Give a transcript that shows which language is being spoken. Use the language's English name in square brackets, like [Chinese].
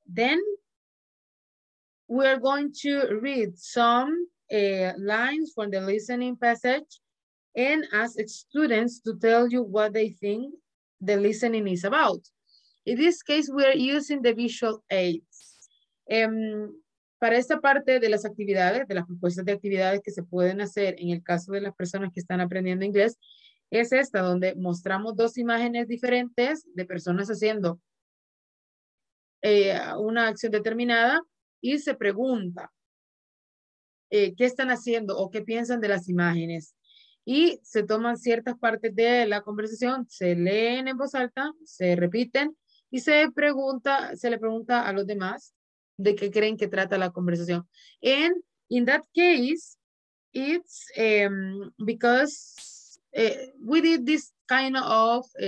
[English] Then we're going to read some lines from the listening passage and ask students to tell you what they think the listening is about. In this case, we're using the visual aids. [Spanish] Para esta parte de las actividades, de las propuestas de actividades que se pueden hacer en el caso de las personas que están aprendiendo inglés, es esta, donde mostramos dos imágenes diferentes de personas haciendo una acción determinada, y se pregunta qué están haciendo o qué piensan de las imágenes. Y se toman ciertas partes de la conversación, se leen en voz alta, se repiten, y se le pregunta a los demás de qué creen que trata la conversación. [English] And in that case, it's because we did this kind of